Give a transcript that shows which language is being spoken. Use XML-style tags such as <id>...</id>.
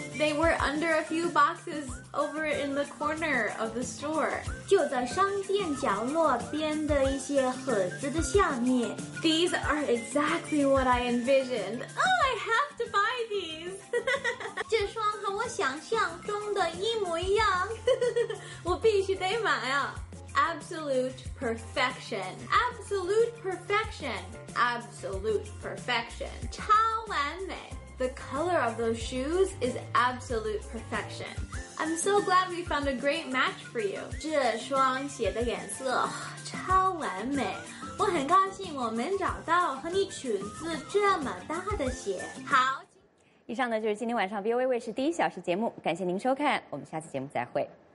<en>They were under a few boxes over in the corner of the store.</en> <zh>就在商店角落边的一些盒子的下面。</zh> <en>These are exactly what I envisioned. Oh, I have to buy these.</en> <zh>这双和我想象中的一模一样。我必须得买啊。</zh> <en>Absolute perfection. Absolute perfection. Absolute perfection.</en> <zh>超完美。</zh> <en>The color of those shoes is absolute perfection. I'm so glad we found a great match for you.</en> <zh>这双鞋的颜色超完美。我很高兴我们找到和你裙子这么搭的鞋。好。以上呢就是今天晚上 VOA 卫视第一小时节目。感谢您收看，我们下次节目再会。</zh>